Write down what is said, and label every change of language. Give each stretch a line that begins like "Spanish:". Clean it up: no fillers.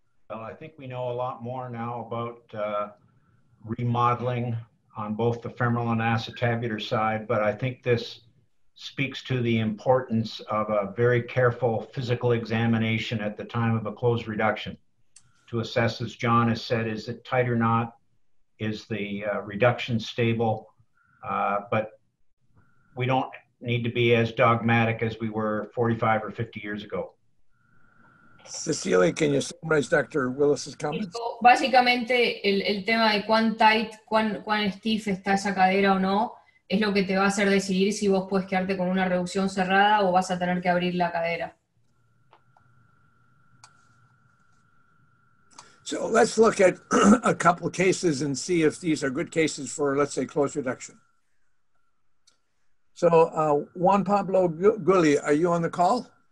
English: Well, I think we know a lot more now about remodeling on both the femoral and acetabular side, but I think this speaks to the importance of a very careful physical examination at the time of a closed reduction to assess, as John has said, is it tight or not? Is the reduction stable? But we don't need to be as dogmatic as we were 45 or 50 years ago. Cecilia, can you summarize Dr. Willis's comments?
Spanish: Básicamente, el tema de cuán tight, cuán stiff está esa cadera o no, es lo que te va a hacer decidir si vos puedes quedarte con una reducción cerrada o vas a tener que abrir la cadera.
English: So let's look at a couple cases and see if these are good cases for, let's say, closed reduction. So Juan Pablo Gulli, are you on the call?